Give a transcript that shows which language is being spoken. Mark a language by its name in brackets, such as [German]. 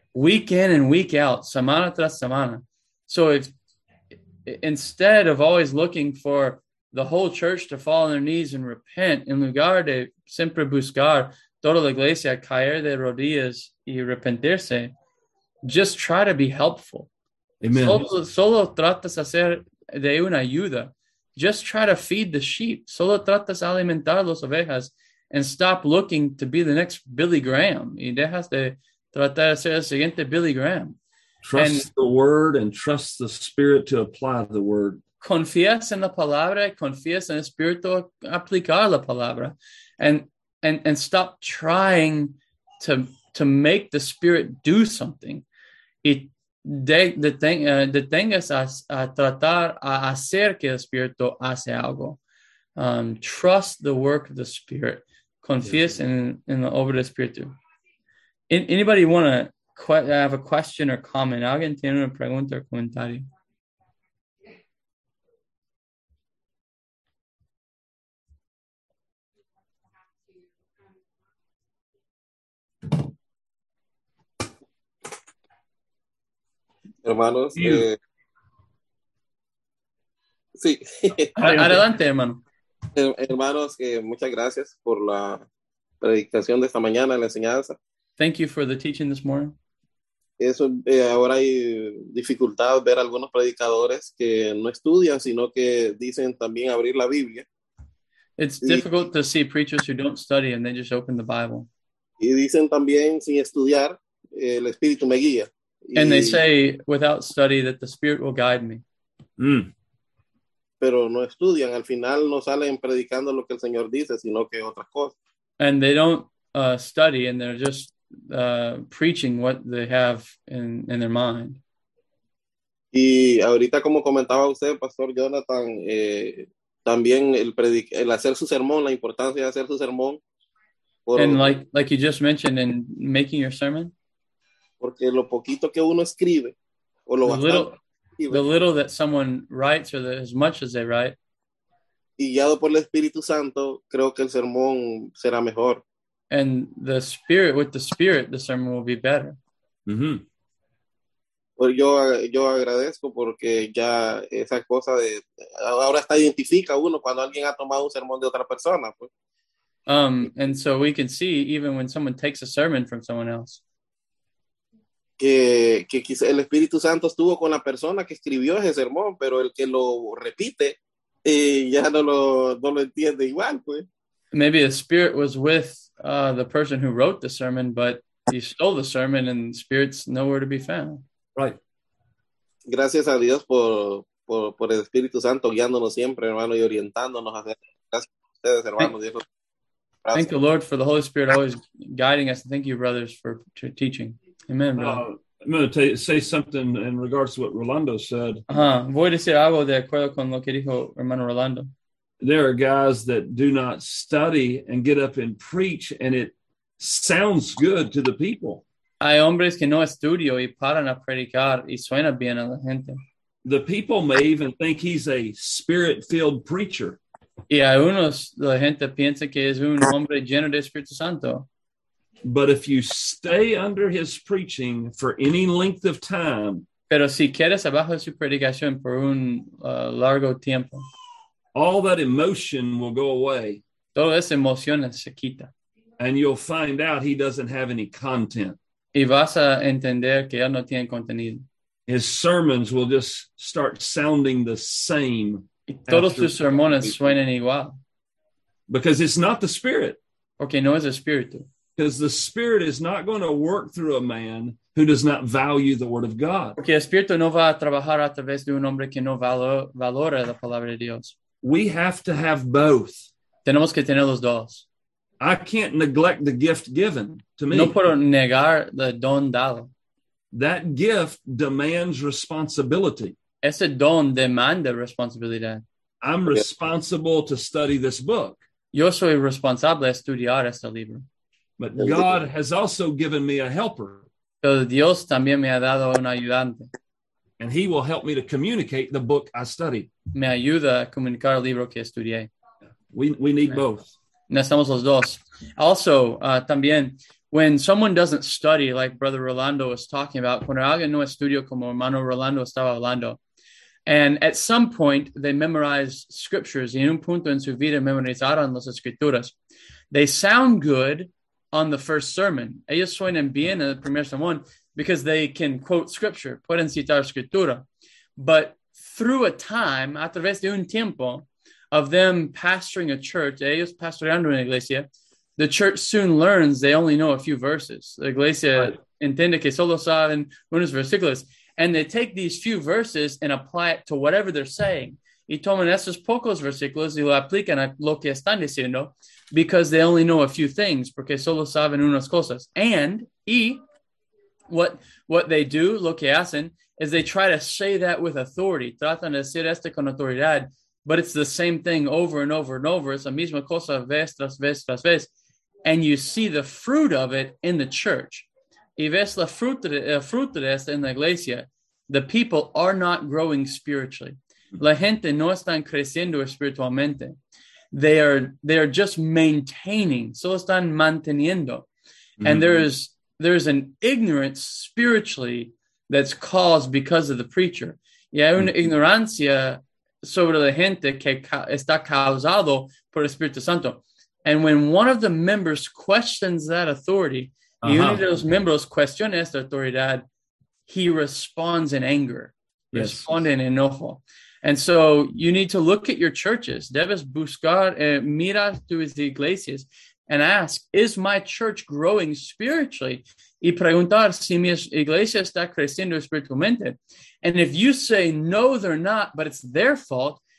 [English] Week in and week out. [Spanish] Semana tras semana. [English] So if instead of always looking for the whole church to fall on their knees and repent, [Spanish] en lugar de siempre buscar toda la iglesia caer de rodillas y arrepentirse, [English] just try to be helpful. Amen. [Spanish] Solo tratas hacer de una ayuda. [English] Just try to feed the sheep. [Spanish] Solo tratas alimentar las ovejas [English] and stop looking to be the next Billy Graham. [Spanish] Y dejas de tratar de ser el siguiente Billy Graham. [English] The word and trust the spirit to apply the word. [Spanish] Confías en la palabra, confías en el espíritu aplicar la palabra. [English] And stop trying to make the spirit do something. [Spanish] Detengas a tratar a hacer que el espíritu hace algo. [English] Trust the work of the spirit. [Spanish] Confíes en la obra del espíritu. [English] Anybody want to have a question or comment? [Spanish] ¿Alguien tiene una pregunta o comentario? Hermanos, sí. Adelante, hermano. Hermanos, muchas gracias por la predicación de esta mañana, la enseñanza. [English] Thank you for the teaching this morning. [Spanish] Eso, ahora hay dificultad ver algunos predicadores que no estudian, sino que dicen también abrir la Biblia. [English] It's difficult to see preachers who don't study and they just open the Bible. [Spanish] Y dicen también sin estudiar, el Espíritu me guía. [English] And they say, without study, that the Spirit will guide me. Mm. [Spanish] Pero no estudian. Al final no salen predicando lo que el Señor dice, sino que otras cosas. [English] And they don't study, and they're just preaching what they have in their mind. [Spanish] Y ahorita, como comentaba usted, Pastor Jonathan, también el hacer su sermón, la importancia de hacer su sermón. [English] And like you just mentioned, in making your sermon. [Spanish] Porque lo poquito que uno escribe, o lo bastante, [English] the little that someone writes, or as much as they write, [Spanish] y guiado por el Espíritu Santo, creo que el sermón será mejor. [English] And the Spirit, with the Spirit, the sermon will be better. Mm-hmm. [Spanish] Pero yo agradezco porque ya esa cosa de, ahora está identifica uno cuando alguien ha tomado un sermón de otra persona. Pues. [English] And so we can see, even when someone takes a sermon from someone else, [Spanish] que el Espíritu Santo estuvo con la persona que escribió ese sermón, pero el que lo repite ya no lo entiende igual, pues. [English] Maybe the Spirit was with the person who wrote the sermon, but He stole the sermon and spirit's nowhere to be found. Right. [Spanish] Gracias a Dios por el Espíritu Santo guiándonos siempre, hermano, y orientándonos. Gracias a ustedes, hermano. [English] Thank the Lord for the Holy Spirit always guiding us. Thank you, brothers, for teaching. Amen, brother. I'm going to say something in regards to what Rolando said. Uh-huh. [Spanish] Voy a decir algo de acuerdo con lo que dijo hermano Rolando. [English] There are guys that do not study and get up and preach, and it sounds good to the people. [Spanish] Hay hombres que no estudio y paran a predicar y suena bien a la gente. [English] The people may even think he's a spirit-filled preacher. [Spanish] Y a unos la gente piensa que es un hombre lleno de Espíritu Santo. [English] But if you stay under his preaching for any length of time, [Spanish] pero si quedas abajo su predicación por un largo tiempo, [English] all that emotion will go away. [Spanish] Toda esa emoción se quita. [English] And you'll find out he doesn't have any content. [Spanish] Y vas a entender que él no tiene contenido. [English] His sermons will just start sounding the same. [Spanish] Y todos sus sermones suenan igual. [English] Because it's not the Spirit. [Spanish] Porque no es el Espíritu. [English] Because the Spirit is not going to work through a man who does not value the Word of God. [Spanish] Porque el Espíritu no va a trabajar a través de un hombre que no valora la palabra de Dios. [English] We have to have both. [Spanish] Tenemos que tener los dos. [English] I can't neglect the gift given to me. [Spanish] No puedo negar el don dado. [English] That gift demands responsibility. [Spanish] Ese don demanda responsabilidad. [English] I'm responsible to study this book. [Spanish] Yo soy responsable de estudiar este libro. [English] But God has also given me a helper. [Spanish] Pero Dios también me ha dado un ayudante. [English] And he will help me to communicate the book I study. [Spanish] Me ayuda a comunicar el libro que estudié. [English] We need Amen. Both. [Spanish] Necesitamos los dos. [English] Also, [Spanish] también, [English] when someone doesn't study, like Brother Rolando was talking about, [Spanish] cuando alguien no estudia como hermano Rolando estaba hablando, [English] and at some point they memorize scriptures, [Spanish] y en un punto en su vida memorizaron las escrituras, [English] they sound good on the first sermon. [Spanish] Ellos suenan bien en el primer sermón [English] because they can quote scripture, [Spanish] pueden citar escritura. [English] But through a time, [Spanish] a través de un tiempo, [English] of them pastoring a church, [Spanish] ellos pastoreando una iglesia, [English] the church soon learns they only know a few verses. [Spanish] La iglesia entiende que solo saben unos versículos. [English] And they take these few verses and apply it to whatever they're saying. [Spanish] Y toman esos pocos versículos y lo aplican a lo que están diciendo [English] because they only know a few things, [Spanish] porque solo saben unas cosas. [English] And, what they do, [Spanish] lo que hacen, [English] is they try to say that with authority. [Spanish] Tratan de decir esto con autoridad. [English] But it's the same thing over and over and over. It's [Spanish] la misma cosa vez tras vez tras vez. [English] And you see the fruit of it in the church. [Spanish] Y ves la fruta de esta en la iglesia. [English] The people are not growing spiritually. [Spanish] La gente no están creciendo espiritualmente. [English] They are just maintaining. [Spanish] Solo están manteniendo. [English] And there is an ignorance spiritually that's caused because of the preacher. [Spanish] Y hay una ignorancia sobre la gente que está causado por el Espíritu Santo. [English] And when one of the members questions that authority, uh-huh. [Spanish] Y uno de los miembros cuestiona esta autoridad, [English] he responds in anger, [Spanish] responde en enojo. [English] And so you need to look at your churches. [Spanish] Debes buscar, mira tus iglesias, [English] and ask, is my church growing spiritually? [Spanish] Y preguntar si mi iglesia está creciendo espiritualmente. [English] And if you say, no, they're not, but it's their fault.